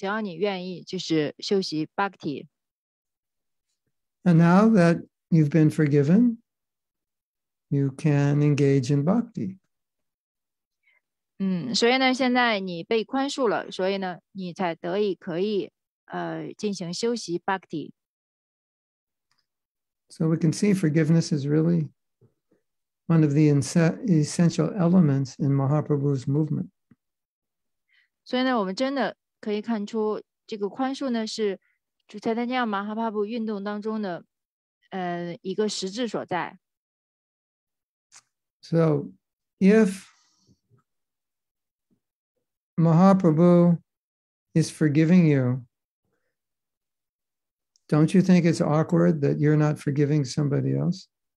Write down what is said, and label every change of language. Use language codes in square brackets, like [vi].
[zh] 就是呢,马哈巴布呢,就是准备去一笔勾销你过往曾经所做的所有的这些罪恶,只要你愿意就是修习Bhakti。 [en] And now that you've been forgiven, you can engage in bhakti. [zh] 所以呢,现在你被宽恕了,所以呢,你才得以可以进行修习bhakti. [en] So we can see forgiveness is really one of the essential elements in Mahaprabhu's movement. [zh] 所以呢,我们真的可以看出这个宽恕呢,是主菜丹尼亚马哈帕布运动当中的一个实质所在。 [en] So, if Mahaprabhu is forgiving you, don't you think it's awkward that you're not forgiving somebody else?